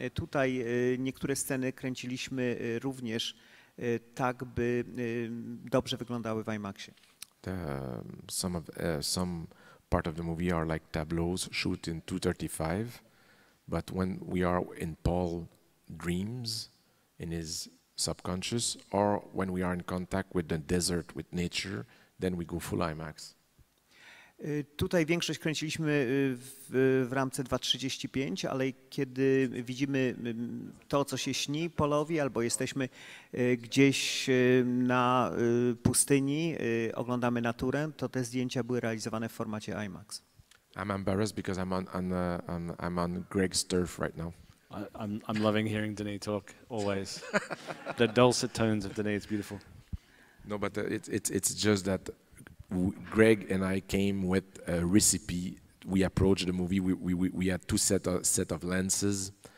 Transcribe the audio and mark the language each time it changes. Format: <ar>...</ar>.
<pl>Tutaj niektóre sceny kręciliśmy również tak, by dobrze wyglądały w IMAXie.</pl> <en>Some part of the movie are like tableaus shoot in 2.35, but when we are in Paul's dreams, in his subconscious, or when we are in contact with the desert, with nature, then we go full IMAX.</en> <pl>Tutaj większość kręciliśmy w ramce 2.35, ale kiedy widzimy to, co się śni Paulowi, albo jesteśmy gdzieś na pustyni, oglądamy naturę, to te zdjęcia były realizowane w formacie IMAX.</pl> <en>I'm embarrassed because I'm on Greig's turf right now. I'm loving hearing Denis talk always. The dulcet tones of Denis, it's beautiful. No, but it's just that Greig and I came with a recipe. We approached the movie. We had two set of lenses,</en>